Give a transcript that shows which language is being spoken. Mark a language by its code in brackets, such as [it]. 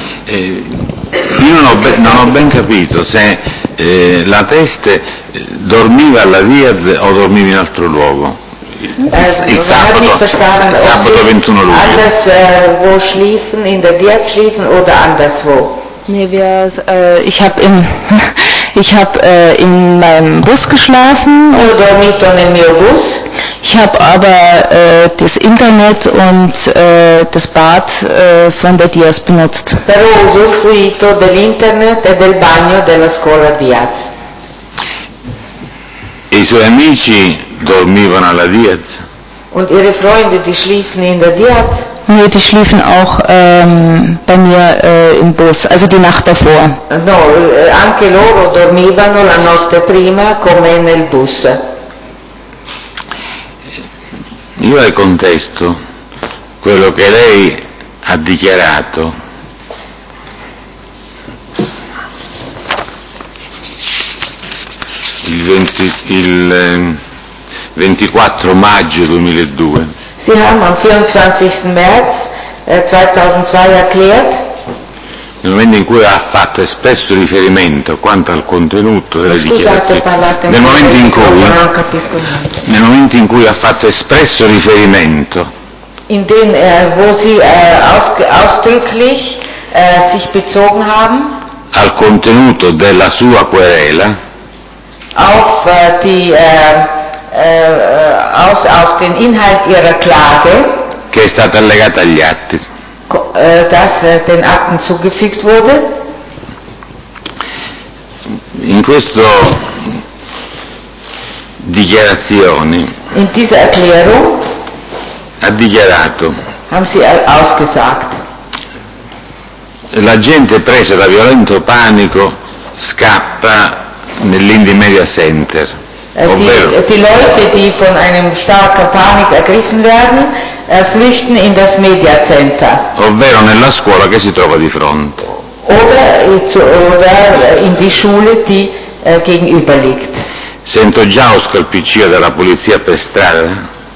[it] Io non ho ben capito se la teste dormiva alla Diaz o dormiva in altro luogo il sabato 21 luglio. [de] Anders wo schliefen in der Diaz schliefen oder anderswo? Nee, ich habe in meinem Bus geschlafen. [it] Ho dormito nel mio bus. [de] Ich habe aber das Internet und das Bad von der Diaz benutzt. [it] Però ho usufruito dell'internet e del bagno della scuola Diaz. I suoi amici dormivano alla Diaz. [de] Und ihre Freunde, die schliefen in der Diaz? Nee, die schliefen auch bei mir im Bus, also die Nacht davor. [it] No, anche loro dormivano la notte prima con me nel bus. Io le contesto quello che lei ha dichiarato. Il 24 maggio 2002. [de] Sie haben am 24. März 2002 erklärt. [it] Nel momento in cui ha fatto espresso riferimento quanto al contenuto delle dichiarazioni, nel momento in cui ha fatto espresso riferimento, [de] in den wo sie ausdrücklich sich bezogen haben, [it] al contenuto della sua querela, [de] auf die auf den Inhalt ihrer Klage, [it] che è stata allegata agli atti. [de] Das den Akten zugefügt wurde. [it] In questo dichiarazione. [de] In dieser Erklärung. [it] Ha dichiarato. [de] Haben sie ausgesagt. [it] La gente presa da violento panico scappa nell'Indy Media Center. [de] Die Leute, die von einem starken Panik ergriffen werden. Flüchten in das Media Center. [it] Ovvero nella scuola che si trova di fronte. [de] Oder in die Schule, die gegenüber liegt. [it] Sento già lo scalpiccio della polizia per strada.